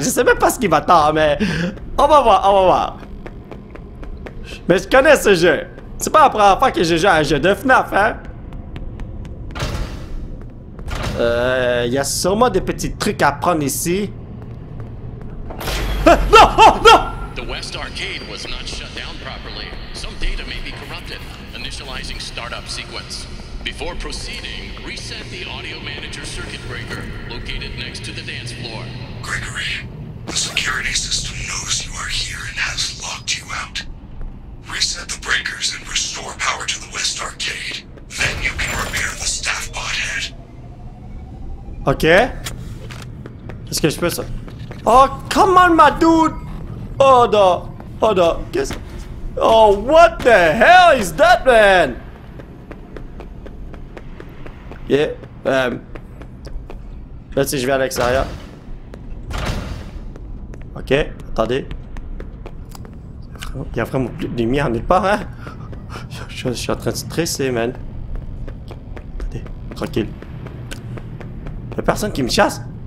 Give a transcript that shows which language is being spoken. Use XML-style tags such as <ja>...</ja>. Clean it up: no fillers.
<fr>Je sais même pas ce qui m'attend, mais on va voir, on va voir. Mais je connais ce jeu. C'est pas la première fois que je joue à un jeu de FNAF, hein? Il y a sûrement des petits trucs à prendre ici. Ah, non! Oh, non!</fr> <en>The West Arcade was not shut down properly. Some data may be corrupted. Initializing startup sequence. Before proceeding, reset the audio manager circuit breaker located next to the dance floor. Gregory, the security system knows you are here and has locked you out. Reset the breakers and restore power to the West Arcade. Then you can repair the staff bot head.</en> <fr>Ok. Est-ce que je peux ça? Oh, come on, my dude!</fr> <en>Hold up, hold up. Qu'est-ce? Oh, what the hell is that, man?</en> <fr>Yeah, là, si je vais à l'extérieur. Ok, attendez. Il y a vraiment plus de lumière nulle part, hein? Je suis en train de stresser, man. Attendez, tranquille. Y'a personne qui me chasse?</fr>